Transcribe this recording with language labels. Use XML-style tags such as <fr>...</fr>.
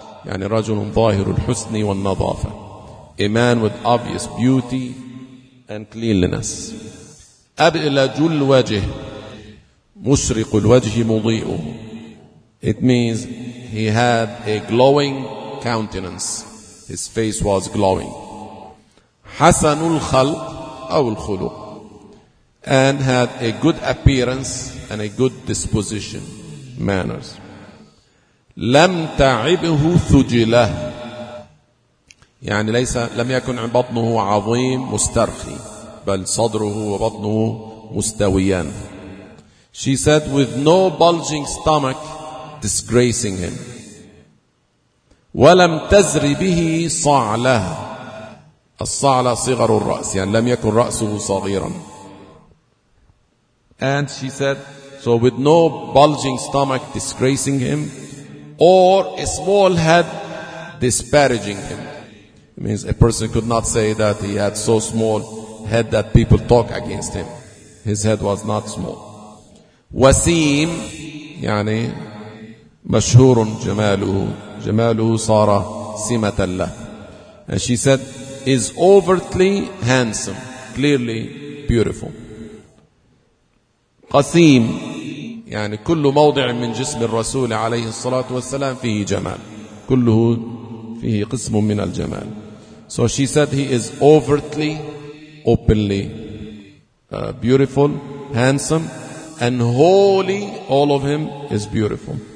<ar>يعني رجل ظاهر الحسن والنظافة.</ar> <en>A man with obvious beauty and cleanliness.</en> <ar>أبلج الوجه مشرق الوجه مضيئه.</ar> <en>It means he had a glowing countenance. His face was glowing.</en> <ar>حسن الخلق أو الخلق.</ar> <en>And had a good appearance and a good disposition, manners.</en> <ar>لم تعبه ثجله يعني ليس لم يكن بطنه عظيم مسترخي بل صدره وبطنه مستويان.</ar> <en>She said with no bulging stomach disgracing him.</en> <ar>ولم تزر به صعله. الصعله صغر الرأس يعني لم يكن رأسه صغيرا.</ar> <en>And she said so with no bulging stomach disgracing him or a small head disparaging him. It means a person could not say that he had so small head that people talk against him. His head was not small.</en> <ar>Wasim, يعني مشهور جماله. جماله صار سمة له.</ar> <en>And she said, is overtly handsome, clearly beautiful.</en> <ar>قسيم, يعني كل موضع من جسم الرسول عليه الصلاة والسلام فيه جمال. كله فيه قسم من الجمال.</ar> <en>So she said he is overtly, openly, beautiful, handsome, and wholly, all of him is beautiful.</en>